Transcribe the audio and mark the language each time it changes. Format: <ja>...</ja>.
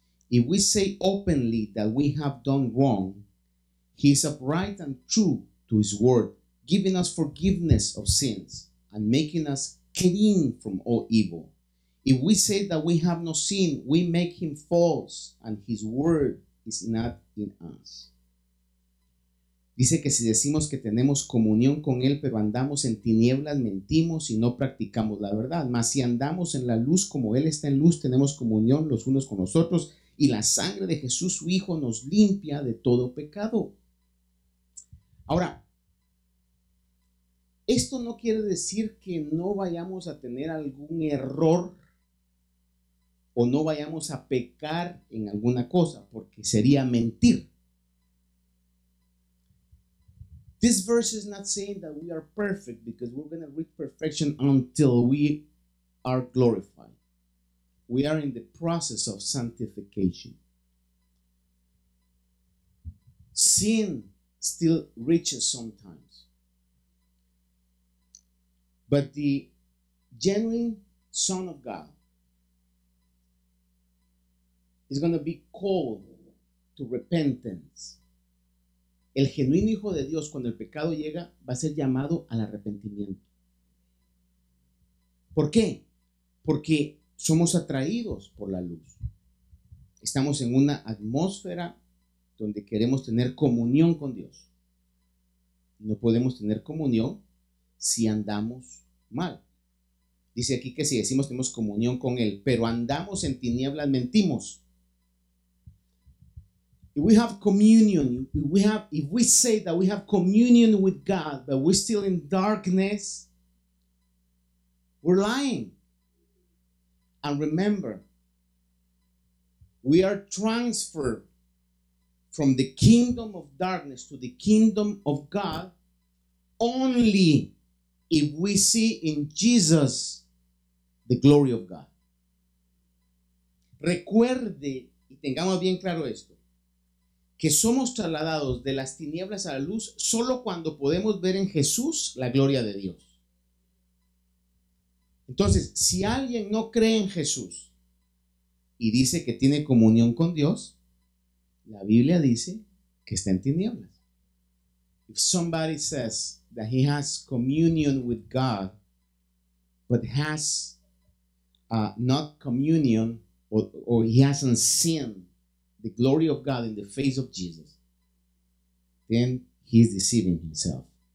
<en>If we say openly that we have done wrong, he is upright and true to his word, giving us forgiveness of sins and making us clean from all evil. If we say that we have no sin, we make him false, and his word is not in us.</en> <es>Dice que si decimos que tenemos comunión con Él, pero andamos en tinieblas, mentimos y no practicamos la verdad. Mas si andamos en la luz como Él está en luz, tenemos comunión los unos con los otros. Y la sangre de Jesús, su Hijo, nos limpia de todo pecado. Ahora, esto no quiere decir que no vayamos a tener algún error o no vayamos a pecar en alguna cosa, porque sería mentir.</es> <en>This verse is not saying that we are perfect because we're going to reach perfection until we are glorified. We are in the process of sanctification. Sin still reaches sometimes. But the genuine Son of God is going to be called to repentance.</en> <es>El genuino Hijo de Dios, cuando el pecado llega, va a ser llamado al arrepentimiento. ¿Por qué? Porque somos atraídos por la luz. Estamos en una atmósfera donde queremos tener comunión con Dios. No podemos tener comunión si andamos mal. Dice aquí que si decimos tenemos comunión con Él, pero andamos en tinieblas, mentimos.</es> <en>If we have communion, if we say that we have communion with God, but we're still in darkness, we're lying. And remember, we are transferred from the kingdom of darkness to the kingdom of God only if we see in Jesus the glory of God.</en> <es>Recuerde, y tengamos bien claro esto, que somos trasladados de las tinieblas a la luz solo cuando podemos ver en Jesús la gloria de Dios. Entonces, si alguien no cree en Jesús y dice que tiene comunión con Dios, la Biblia dice que está en tinieblas.</es> <en>If somebody says that he has communion with God, but has not communion, or he hasn't sinned the glory of God in the face of Jesus, then he is deceiving himself.</en>